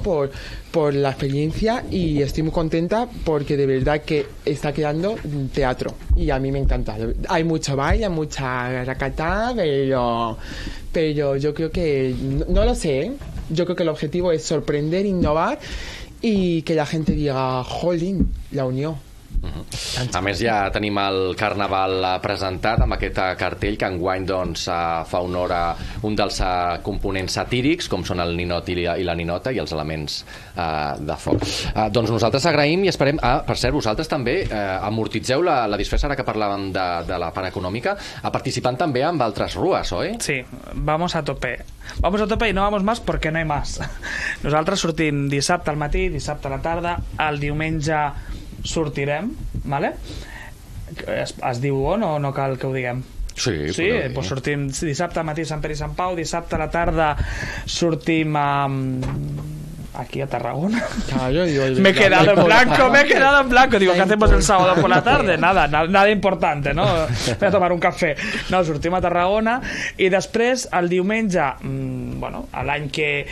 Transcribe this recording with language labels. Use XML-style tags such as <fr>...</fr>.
<es>Por la experiencia. Y estoy muy contenta porque de verdad que está quedando teatro. Y a mí me encanta. Hay mucho baile, mucha racata, pero yo creo que, no lo sé, ¿eh? Yo creo que el objetivo es sorprender, innovar y que la gente diga, jolín, la unió.</es> <ca>Uh-huh. A més, ja tenim el Carnaval presentat amb aquest cartell que enguany doncs, fa honor a un dels components satírics, com són el ninot i la ninota i els elements de foc. Doncs nosaltres agraïm i esperem... Ah, per cert, vosaltres també amortitzeu la disfressa, ara que parlàvem de la part econòmica, a participant també amb altres rues, oi?</ca> <es>Sí, vamos a tope. Vamos a tope y no vamos más porque no hay más.</es> <ca>Nosaltres sortim dissabte al matí, dissabte a la tarda, el diumenge... sortirem, vale? Es diu on o no cal que ho diguem? Sí, sí, doncs sortim dissabte al matí a Sant Pere i Sant Pau, dissabte a la tarda sortim a... aquí a Tarragona.</ca> <es>Me he quedado en blanco, me he quedado en blanco. Digo, ¿qué hacemos el sábado por la tarde? Nada, nada importante, ¿no? Voy a tomar un café.</es> <ca>No, sortim a Tarragona i després, el diumenge, bueno, l'any que...</ca>